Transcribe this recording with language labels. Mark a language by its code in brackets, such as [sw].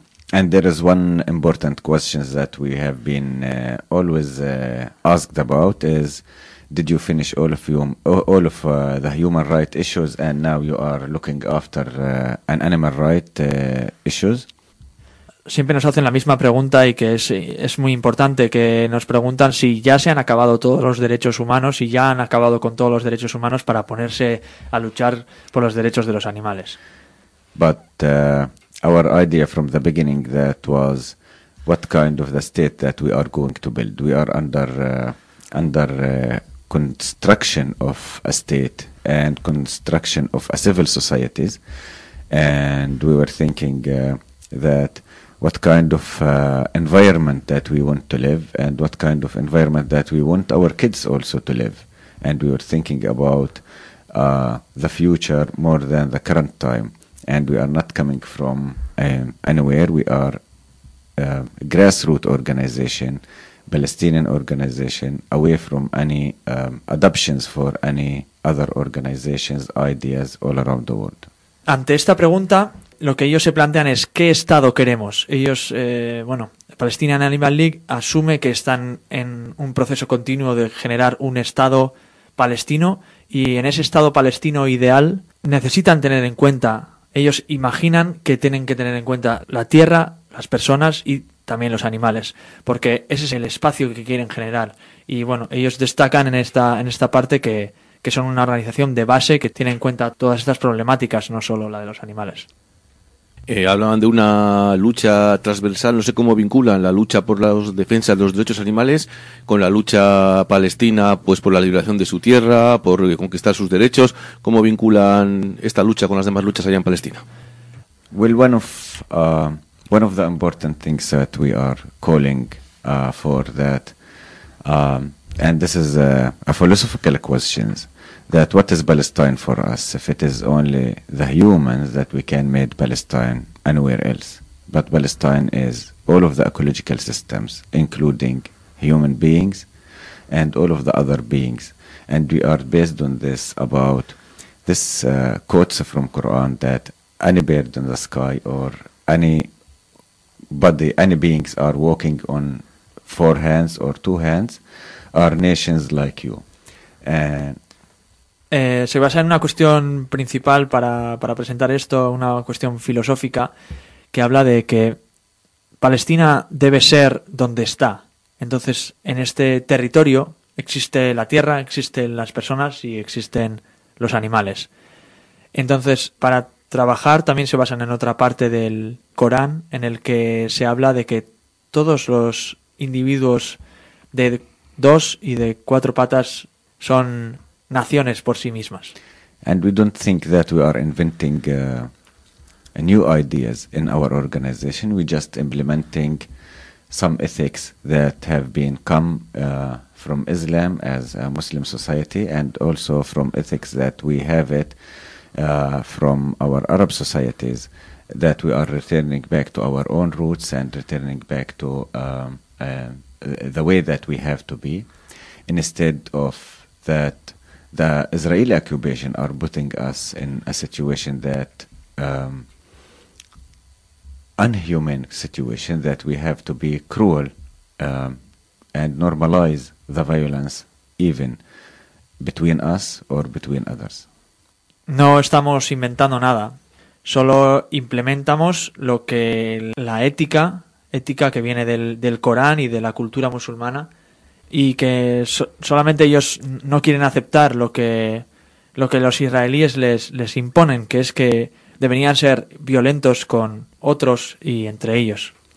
[en] And there is one important question that we have been always asked about is did you finish all of the human rights issues, and now you are looking after an animal rights issues? [es] Siempre nos hacen la misma pregunta, y que es muy importante, que nos preguntan si ya se han acabado todos los derechos humanos, y si ya han acabado con todos los derechos humanos para ponerse a luchar por los derechos de los animales. [en] But our idea from the beginning that was what kind of the state that we are going to build. We are under construction of a state and construction of a civil societies, and we were thinking that what kind of environment that we want to live, and what kind of environment that we want our kids also to live. And we were thinking about the future more than the current time. And we are not coming from anywhere. We are a grassroots organization, Palestinian organization, away from any adoptions for any other organizations, ideas all around the world. [es] Ante esta pregunta, lo que ellos se plantean es qué Estado queremos. Ellos, bueno, Palestinian Animal League asume que están en un proceso continuo de generar un Estado palestino, y en ese Estado palestino ideal necesitan tener en cuenta, ellos imaginan que tienen que tener en cuenta la tierra, las personas y también los animales, porque ese es el espacio que quieren generar. Y bueno, ellos destacan en esta parte que son una organización de base que tiene en cuenta todas estas problemáticas, no solo la de los animales. Hablaban de una lucha transversal, no sé cómo vinculan la lucha por la defensa de los derechos animales con la lucha palestina, pues por la liberación de su tierra, por conquistar sus derechos. ¿Cómo vinculan esta lucha con las demás luchas allá en Palestina? [en] Well, one of the important things that we are calling for that, and this is a philosophical question, that what is Palestine for us? If it is only the humans, that we can make Palestine anywhere else. But Palestine is all of the ecological systems, including human beings and all of the other beings. And we are based on this, about this quotes from Quran, that any bird in the sky or any body, any beings are walking on four hands or two hands, are nations like you. And [es] Se basa en una cuestión principal para presentar esto, una cuestión filosófica, que habla de que Palestina debe ser donde está. Entonces, en este territorio existe la tierra, existen las personas y existen los animales. Entonces, para trabajar también se basan en otra parte del Corán, en el que se habla de que todos los individuos de dos y de cuatro patas son naciones por sí mismas. [en] And we don't think that we are inventing new ideas in our organization. We're just implementing some ethics that have been come from Islam as a Muslim society, and also from ethics that we have it from our Arab societies, that we are returning back to our own roots and returning back to the way that we have to be, instead of that the Israeli occupation are putting us in a situation that unhuman situation, that we have to be cruel and normalize the violence even between us or between others. [es] No estamos inventando nada, solo implementamos lo que la ética que viene del Corán y de la cultura musulmana, y que solamente ellos no quieren aceptar lo que los israelíes les imponen, que es que deberían ser violentos con otros y entre ellos.